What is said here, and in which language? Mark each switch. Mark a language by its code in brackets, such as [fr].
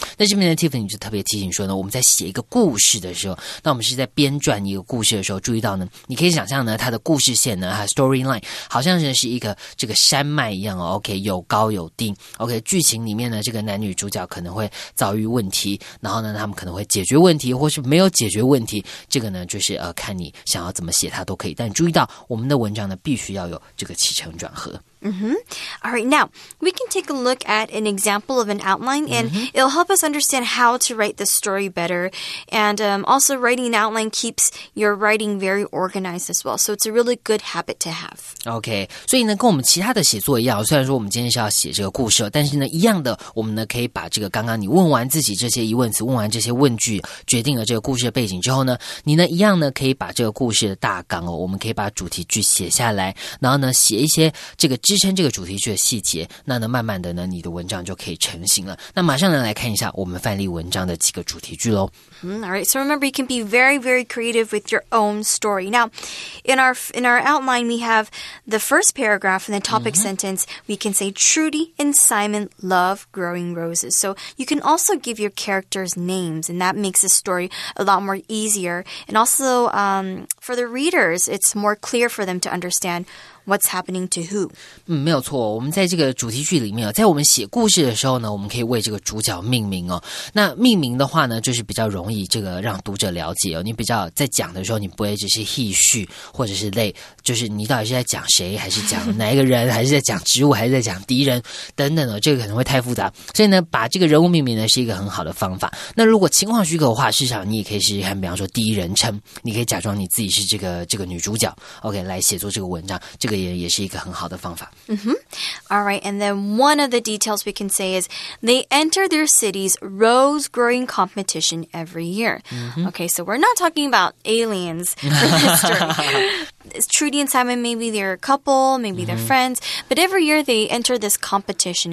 [zh] 那这边的 Tiffany 就特别提醒说呢，我们在写一个故事的时候，那我们是在编撰一个故事的时候，注意到呢你可以想象呢它的故事线呢，它的 storyline 好像是一个这个山脉一样哦， OK， 有高有低， OK， 剧情里面呢这个男女主角可能会遭遇问题，然后呢他们可能会解决问题或是没有解决问题，这个呢就是看你想要怎么写它都可以，但注意到我们的文章呢必须要有这个起承转合。 [en] Mm-hmm. All right, now we can take a look at an example of an outline, and、 mm-hmm. it'll help us understand how to write the story better. And、also, writing an outline keeps your writing very organized as well. So it's a really good habit to have. [zh] Okay, 所以呢，跟我们其他的写作一样，虽然说我们今天是要写这个故事，但是呢，一样的，我们呢可以把这个刚刚你问完自己这些疑问词，问完这些问句，决定了这个故事的背景之后呢，你呢一样呢可以把这个故事的大纲哦，我们可以把主题句写下来，然后呢写一些这个。支撑这个主题句的细节，那呢慢慢的呢你的文章就可以成型了。那马上呢来看一下我们范例文章的几个主题句咯。 [en] Alright, so remember you can be very, very creative with your own story. Now, in our outline, we have the first paragraph and the topic sentence. We can say, Trudy and Simon love growing roses. So you can also give your characters names, and that makes the story a lot more easier. And also, for the readers, it's more clear for them to understand what's happening to who. [zh] 没有错，我们在这个主题句里面，在我们写故事的时候呢，我们可以为这个主角命名哦。那命名的话呢，就是比较容易这个让读者了解哦。你比较在讲的时候，你不会只是戏序或者是类，就是你到底是在讲谁，还是讲哪一个人，还是在讲植物，还是在讲敌人等等哦，这个可能会太复杂。所以呢，把这个人物命名呢是一个很好的方法。那如果情况许可的话，至少你也可以试试看，比方说第一人称，你可以假装你自己是这个女主角 ，OK， 来写作这个文章，这个。也是一个很好的方法。 [en] Alright, and then one of the details we can say is they enter their city's rose growing competition every year.、 Mm-hmm. Okay, so we're not talking about aliens for this story. Trudy and Simon, maybe they're a couple, maybe、mm-hmm. they're friends, but every year they enter this competition.